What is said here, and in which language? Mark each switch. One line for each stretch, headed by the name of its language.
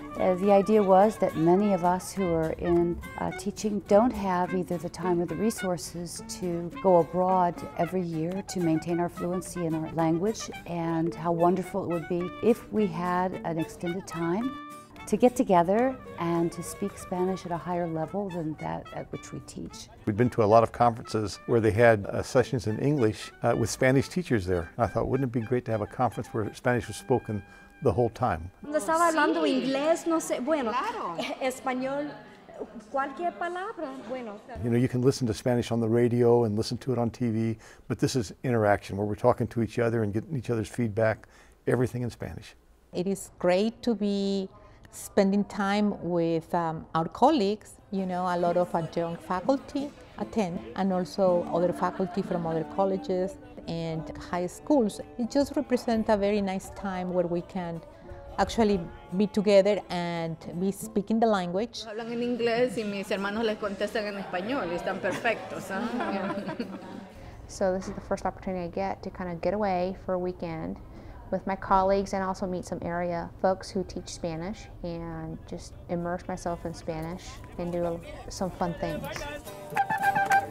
English: The idea was that many of us who are in teaching don't have either the time or the resources to go abroad every year to maintain our fluency in our language, and how wonderful it would be if we had an extended time to get together and to speak Spanish at a higher level than that at which we teach. We'd been to a lot of conferences where they had sessions in English with Spanish teachers there. I thought, wouldn't it be great to have a conference where Spanish was spoken the whole time?
Spanish: Cuando estaba hablando inglés, no sé, bueno, español, cualquier palabra, bueno.
English: You know, you can listen to Spanish on the radio and listen to it on TV, but this is interaction where we're talking to each other and getting each other's feedback, everything in Spanish. It is great to be spending time with our colleagues. You know, a lot of adjunct faculty attend, and also other faculty from other colleges and high schools. It just represents a very nice time where we can actually be together and be speaking the language.
Spanish: Hablan en inglés y mis hermanos les contestan en español y están perfectos.
English: So this is the first opportunity I get to kind of get away for a weekend with my colleagues and also meet some area folks who teach Spanish and just immerse myself in Spanish and do some fun things.